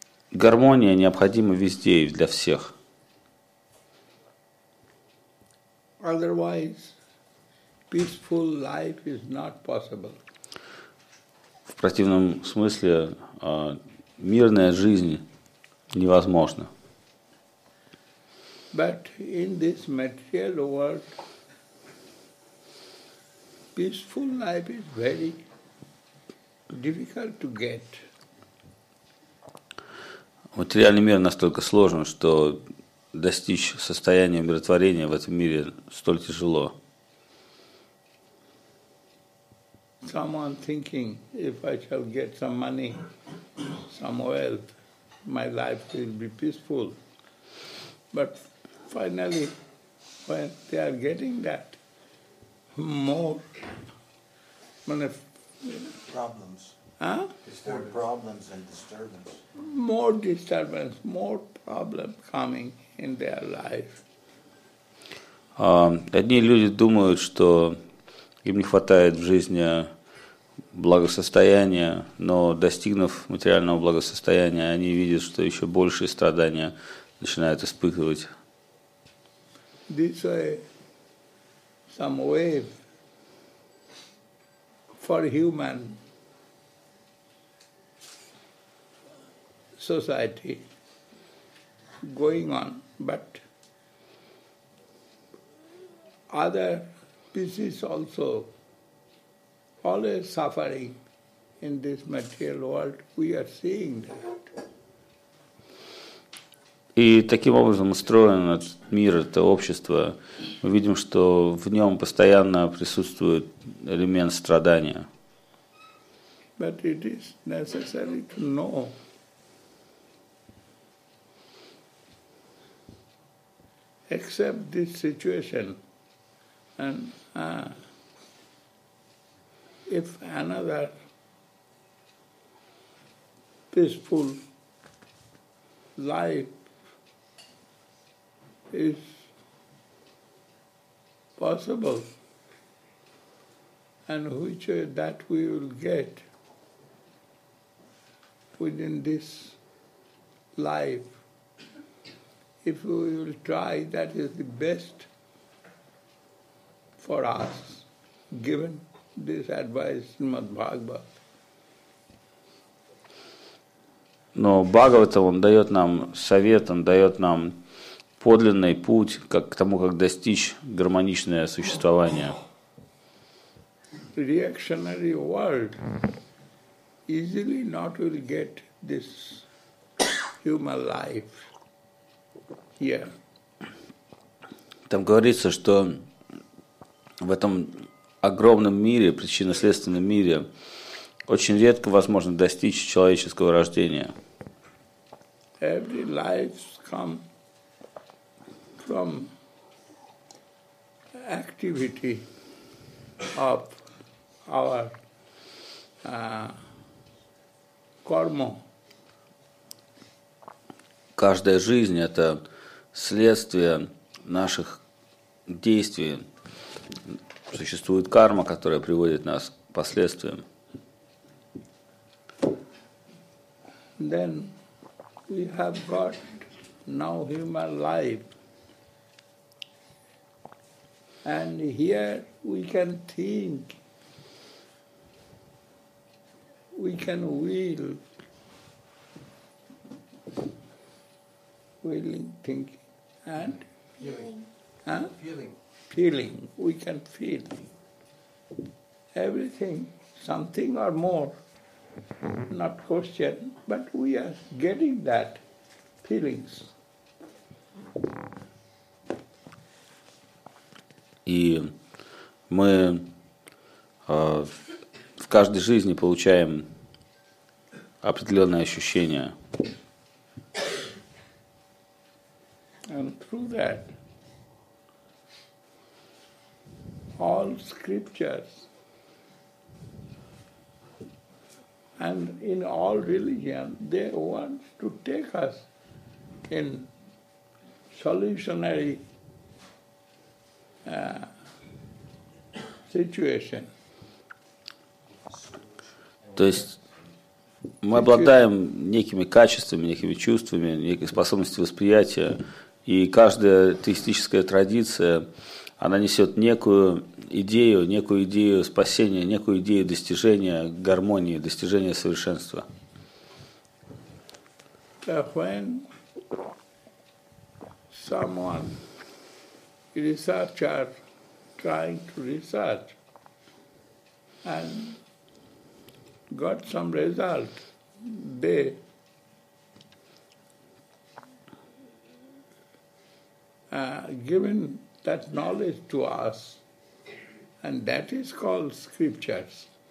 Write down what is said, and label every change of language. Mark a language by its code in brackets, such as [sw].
[ru] Гармония необходима везде и для всех. [en] Otherwise, peaceful life is not possible. [ru] В противном смысле, мирная жизнь невозможно. [en] But in this material world, peaceful life is very difficult to get. [ru] Материальный мир настолько сложен, что достичь состояния умиротворения в этом мире столь тяжело. [en] Someone thinking, if I shall get some money, some wealth, my life will be peaceful. But finally, when they are getting that, more problems. Huh? Disturbance. More problems and disturbance. More disturbance, more problem coming in their life. [ru] Одни люди думают, что им не хватает в жизни благосостояния, но достигнув материального благосостояния, они видят, что еще большие страдания начинают испытывать. [en] This way, some wave for human society going on, but other species also always suffering in this material world, we are seeing that. [ru] И таким образом устроен этот мир, это общество. Мы видим, что в нем постоянно присутствует элемент страдания. [en] But it is necessary to know accept this situation and if another peaceful life is possible and which way that we will get within this life, if we will try, that is the best for us, given this advice in Srimad Bhagavatam. [ru] Но Бхагавата, он дает нам совет, он дает нам подлинный путь как, к тому, как достичь гармоничное существование. [en] Reactionary world easily not will get this human life here. [ru] Там говорится, что в этом огромном мире, причинно-следственном мире, очень редко возможно достичь человеческого рождения. [en] Every life come from activity of our karma. [ru] Каждая жизнь это следствие наших действий. Существует карма, которая приводит нас к последствиям. [en] Then we have got now human life. And here we can think, we can will, willing thinking and feeling. Feeling, we can feel everything, something or more, not question, but we are getting that feelings. [ru] И мы в каждой жизни получаем определенные ощущения. [en] And through that, all scriptures and in all religions, they want to take us in solutionary situation. [ru] То есть мы обладаем некими качествами, некими чувствами, некой способностью восприятия, и каждая теистическая традиция, она несет некую идею спасения, некую идею достижения гармонии, достижения совершенства. [en] When someone researcher trying to research and got some result, they given that knowledge to us, and that is called scriptures.